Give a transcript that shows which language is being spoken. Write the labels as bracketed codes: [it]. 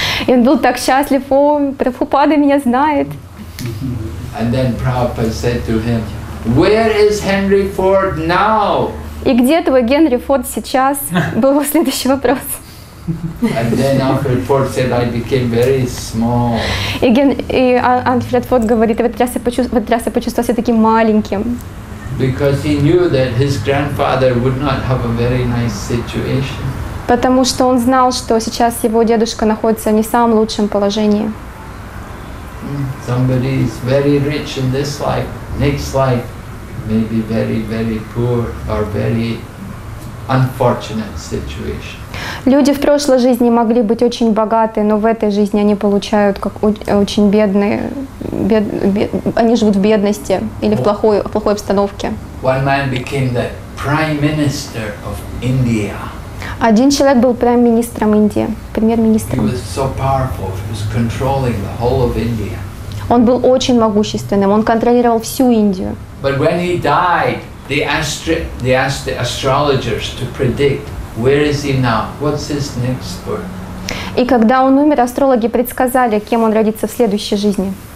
[ru] И он был так счастлив, "О, Прабхупада меня знает." [en] And then Prabhupada said to him, "Where is Henry Ford now?" [ru] И где твой Генри Форд сейчас? Был его следующий вопрос. [en] And then Alfred Ford said, I became very small. [ru] И Альфред Форд говорит, в этот раз я почувствовал себя таким маленьким. [en] Because he knew that his grandfather would not have a very nice situation. [ru] Потому что он знал, что сейчас его дедушка находится в не самом лучшем положении. [en] Somebody is very rich in this life, next life. Maybe very, very poor or very unfortunate situation. [ru] Люди в прошлой жизни могли быть очень богаты, но в этой жизни они получают как очень бедные. Они живут в бедности или в плохой обстановке. [en] One man became the prime minister of India. [ru] Один человек был премьер-министром Индии, премьер-министром. [en] He was so powerful. He was controlling the whole of India. [ru] Он был очень могущественным, он контролировал всю Индию. [en] But when he died, they asked the astrologers to predict, where is he now? What's his next birth? [ru] И когда он умер, астрологи предсказали, кем он родится в следующей жизни.